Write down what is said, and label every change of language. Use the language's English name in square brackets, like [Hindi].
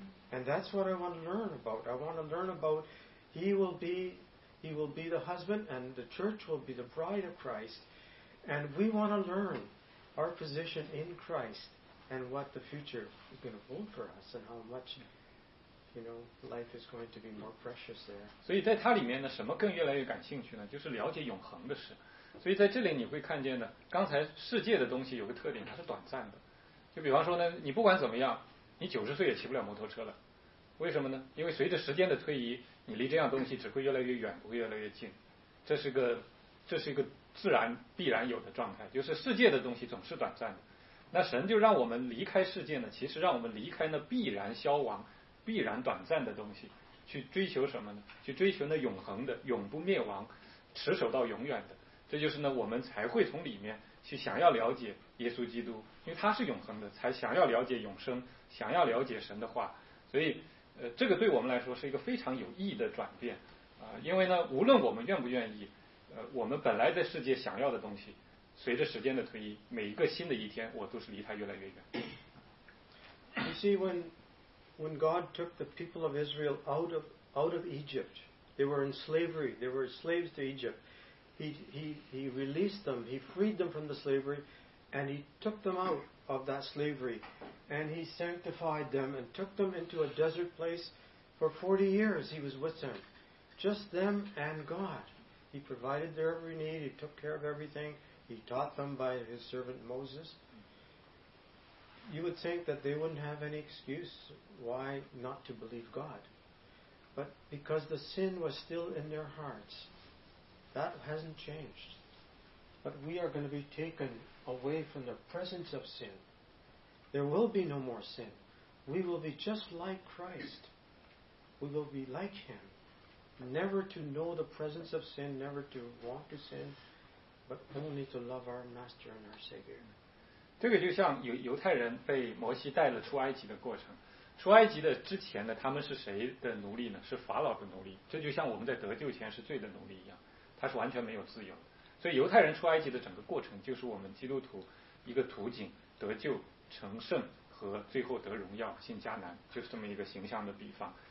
[English] And that's what I want to learn about. I want to learn about He will be the husband and the church will be the bride of Christ. And we want to learn our position in Christ and what the future is going to hold for us and how much... You know, life is going to be more precious there. [Chinese] 所以在它里面呢，什么更越来越感兴趣呢？就是了解永恒的事。所以在这里你会看见呢，刚才世界的东西有个特点，它是短暂的。就比方说呢，你不管怎么样，你90岁也骑不了摩托车了。为什么呢？因为随着时间的推移，你离这样东西只会越来越远，不会越来越近。这是一个自然必然有的状态，就是世界的东西总是短暂的。那神就让我们离开世界呢，其实让我们离开那必然消亡。必然短暂的东西，去追求什么呢？去追求那永恒的、永不灭亡、持守到永远的。这就是呢，我们才会从里面去想要了解耶稣基督，因为他是永恒的，才想要了解永生，想要了解神的话。所以，这个对我们来说是一个非常有意义的转变。因为呢，无论我们愿不愿意，我们本来在世界想要的东西，随着时间的推移，每一个新的一天，我都是离它越来越远。 [English] You see, when God took the people of Israel out of Egypt, they were in slavery. They were slaves to Egypt. He released them. He freed them from the slavery, and he took them out of that slavery, and he sanctified them and took them into a desert place for 40 years. He was with them. Just them and God. He provided their every need. He took care of everything. He taught them by his servant Moses. You would think that they wouldn't have any excuse why not to believe God. But because the sin was still in their hearts, that hasn't changed. But we are going to be taken away from the presence of sin. There will be no more sin. We will be just like Christ. We will be like him. Never to know the presence of sin, never to want to sin, but only to love our Master and our Savior. [Chinese] 这个就像犹太人被摩西带了出埃及的过程。出埃及的之前呢，他们是谁的奴隶呢？是法老的奴隶。这就像我们在得救前是罪的奴隶一样，他是完全没有自由。所以犹太人出埃及的整个过程，就是我们基督徒一个途径，得救、成圣和最后得荣耀、进迦南，就是这么一个形象的比方。